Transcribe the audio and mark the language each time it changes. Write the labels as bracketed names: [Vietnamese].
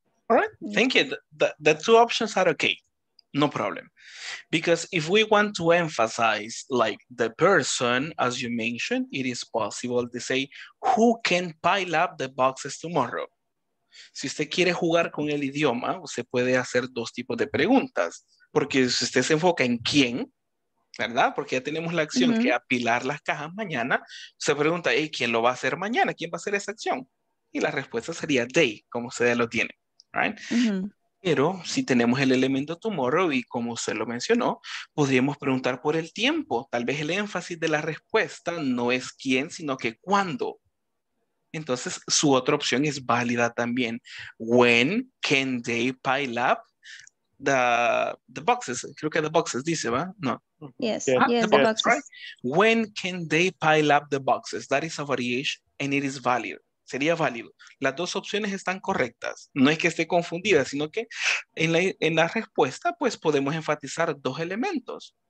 [English] All right, thank you. The two options are okay. No problem. Because if we want to emphasize like the person, as you mentioned, it is possible to say, who can pile up the boxes tomorrow? [Spanish] Si usted quiere jugar con el idioma, usted puede hacer dos tipos de preguntas. Porque si usted se enfoca en quién, ¿verdad? Porque ya tenemos la acción que apilar las cajas mañana. Se pregunta, hey, ¿quién lo va a hacer mañana? ¿Quién va a hacer esa acción? Y la respuesta sería they, como ustedes lo tienen. Right? Pero si tenemos el elemento tomorrow y como usted lo mencionó, podríamos preguntar por el tiempo. Tal vez el énfasis de la respuesta no es quién, sino que cuándo. Entonces, su otra opción es válida también. [English] When can they pile up the boxes? [Spanish] Creo que [English] the boxes [Spanish] dice, ¿va? No. [English] Yes, yes, the boxes. Right? When can they pile up the boxes? That is a variation and it is valid. [Spanish] Sería válido. Las dos opciones están correctas. No es que esté confundida, sino que en la respuesta, pues podemos enfatizar dos elementos.